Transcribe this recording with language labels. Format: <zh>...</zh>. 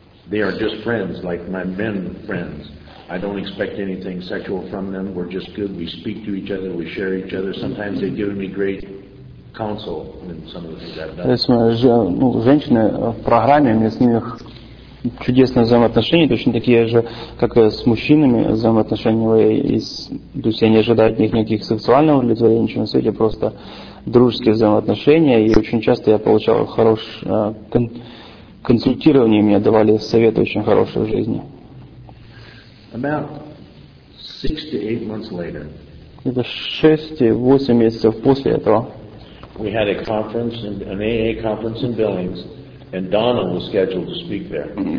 <en>They are just friends, like my men friends. I don't expect anything sexual from them. We're just good. We speak to each other. We share each other. Sometimes they've given me great counsel in some of the things I've done.</en> <ru>То есть, ну, женщины в программе, у меня с ними чудесные взаимоотношения, точно такие же, как и с мужчинами взаимоотношения в АЭ. То есть я не ожидаю от них никаких сексуального удовлетворения, ничего на свете, просто дружеские взаимоотношения, и очень часто я получал хорошее консультирование, мне давали советы очень хорошие в жизни.</ru> <en>About 6 to 8 months later.</en> <ru>Это 6-8 месяцев после этого.</ru> <en>We had a conference, an AA conference in Billings, and Donna was scheduled to speak there.</en>